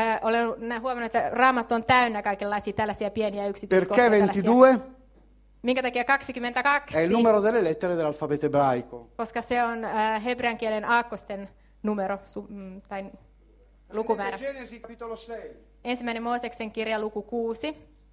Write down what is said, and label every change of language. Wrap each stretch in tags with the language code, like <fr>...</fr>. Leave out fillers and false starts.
<fi>Olen huomannut, että Raamattu on täynnä kaikenlaisia tällaisia pieniä yksityiskohtia.</fi> <it>Perché 22? Tällaisia.</it> <fi>Minkä takia 22?</fi> <it>È il numero delle lettere dell'alfabeto ebraico.</it> <fi>Koska se on hebrean kielen aakkosten numero tai lukumäärä.</fi> <it>Genesi capitolo 6.</it> <fi>Ensimmäinen Mooseksen kirja luku 6.</fi>